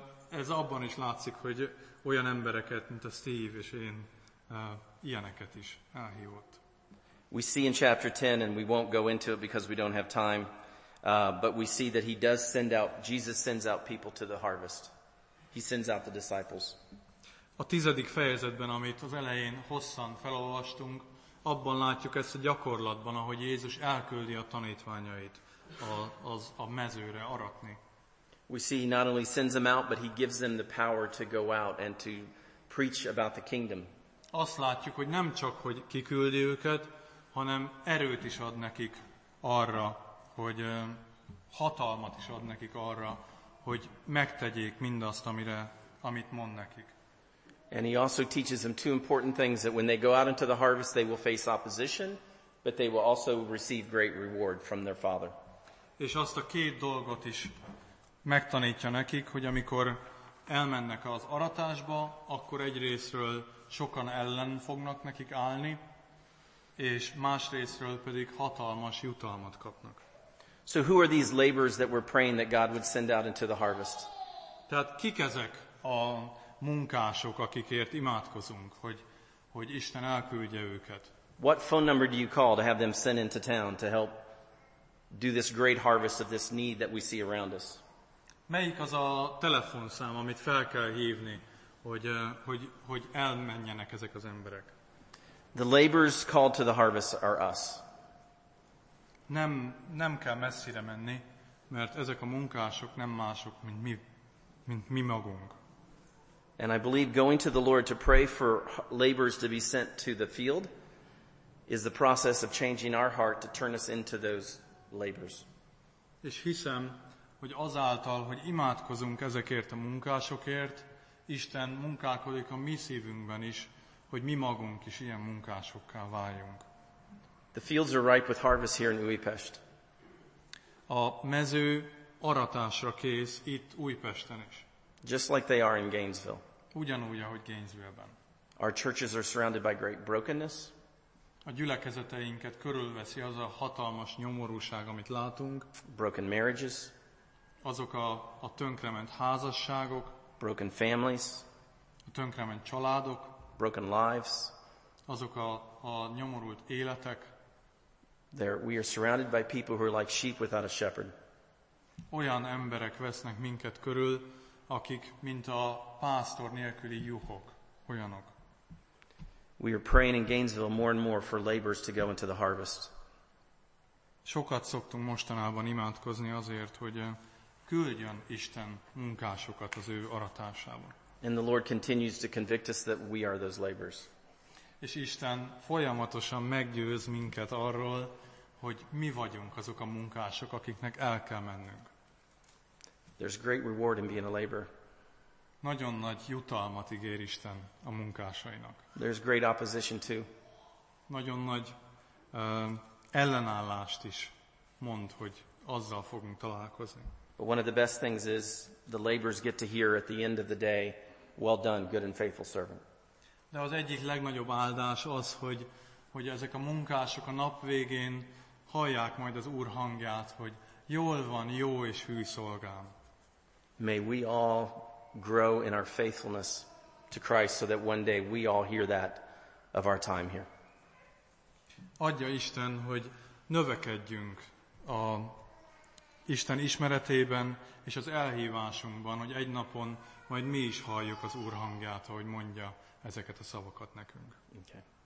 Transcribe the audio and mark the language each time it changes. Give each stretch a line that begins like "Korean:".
Hungarian: Ez abban is látszik, hogy olyan embereket, mint a Steve és én, ilyeneket is elhívott.
English: We see in chapter 10, and we won't go into it because we don't have time, but we see that Jesus sends out people to the harvest. He sends out the disciples.
Hungarian: A tizedik fejezetben, amit az elején hosszan felolvastunk, abban látjuk ezt a gyakorlatban, ahogy Jézus elküldi a tanítványait a mezőre aratni.
English: We see he not only sends them out, but he gives them the power to go out and to preach about the kingdom.
Hungarian: Azt látjuk, hogy nem csak, hogy kiküldi őket, hanem erőt is ad nekik arra, hogy hatalmat is ad nekik arra, hogy megtegyék mindazt, amit mond nekik.
English: And he also teaches them two important things, that when they go out into the harvest, they will face opposition, but they will also receive great reward from their father.
Hungarian: És azt a két dolgot is megtanítja nekik, hogy amikor elmennek az aratásba, akkor egyrészről sokan ellen fognak nekik állni, és másrészről pedig hatalmas jutalmat kapnak.
English: So who are these laborers that we're praying that God would send out into the harvest?
Hungarian: Tehát kik ezek a munkások, akikért imádkozunk, hogy Isten elküldje őket?
English: What phone number do you call to have them sent into town to help do this great harvest of this need that we see around us?
Hungarian: Melyik az a telefonszám, amit fel kell hívni, hogy elmenjenek ezek az emberek?
English: The laborers called to the harvest are us.
Hungarian: Nem kell messzire menni, mert ezek a munkások nem mások, mint mi magunk.
English: And I believe going to the Lord to pray for laborers to be sent to the field is the process of changing our heart to turn us into those laborers.
Hungarian: És hiszem, hogy azáltal, hogy imádkozunk ezekért a munkásokért, Isten munkálkodik a mi szívünkben is, hogy mi magunk is ilyen munkásokká váljunk.
English: The fields are ripe with harvest here in Újpest.
Hungarian: A mező aratásra kész itt Újpesten is.
English: Just like they are in Gainesville.
Hungarian: Ugyanúgy, ahogy Gainesville-ben.
English: Our churches are surrounded by great brokenness.
Hungarian: A gyülekezeteinket körülveszi az a hatalmas nyomorúság, amit látunk.
English: Broken marriages.
Hungarian: Azok a tönkrement házasságok.
English: Broken families.
Hungarian: A tönkrement családok.
English: Broken lives.
Hungarian: Azok a nyomorult életek.
English: We are surrounded by people who are like sheep without a shepherd.
Hungarian: Olyan emberek vesznek minket körül, akik mint a pásztor nélküli juhok, olyanok.
English: We are praying in Gainesville more and more for laborers to go into the harvest.
Hungarian: Sokat szoktunk mostanában imádkozni azért, hogy küldjön Isten munkásokat az ő aratásába.
English: And the Lord continues to convict us that we are those laborers.
Hungarian: És Isten folyamatosan meggyőz minket arról, hogy mi vagyunk azok a munkások, akiknek el kell mennünk.
English: There's great reward in being a laborer.
Hungarian: Nagyon nagy jutalmat ígér Isten a munkásainak.
English: There's great opposition too.
Hungarian: Nagyon nagy ellenállást is mond, hogy azzal fogunk találkozni.
English: But one of the best things is the laborers get to hear at the end of the day, well done, good and faithful servant.
Hungarian: De az egyik legnagyobb áldás az, hogy ezek a munkások a nap végén hallják majd az Úr hangját, hogy jól van, jó és hű szolgám.
English: May we all grow in our faithfulness to Christ so that one day we all hear that of our time here.
Hungarian: Adja Isten, hogy növekedjünk a Isten ismeretében és az elhívásunkban, hogy egy napon majd mi is halljuk az Úr hangját, ahogy mondja ezeket a szavakat nekünk.
English: Okay.